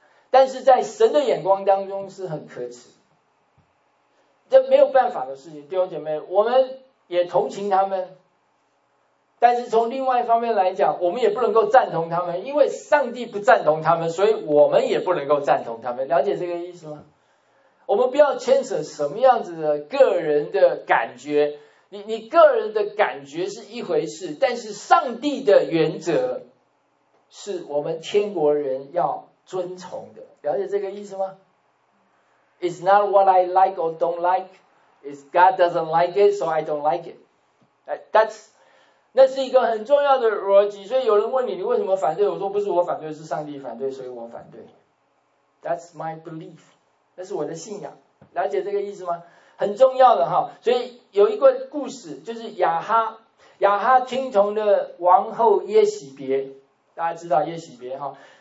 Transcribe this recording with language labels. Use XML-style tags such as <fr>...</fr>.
<zh>但是在神的眼光当中是很可耻，这没有办法的事情。弟兄姐妹，我们也同情他们，但是从另外一方面来讲，我们也不能够赞同他们，因为上帝不赞同他们，所以我们也不能够赞同他们。了解这个意思吗？我们不要牵扯什么样子的个人的感觉，你个人的感觉是一回事，但是上帝的原则是我们天国人要遵从的，了解这个意思吗？</zh> <en>It's not what I like or don't like. It's God doesn't like it, so I don't like it. That's</en> <zh>那是一个很重要的逻辑。所以有人问你，你为什么反对？我说不是我反对，是上帝反对，所以我反对。</zh> <en>That's my belief.</en> <zh>那是我的信仰。了解这个意思吗？很重要的哈。所以有一个故事，就是亚哈听从的王后耶洗别，大家知道耶洗别哈。</zh>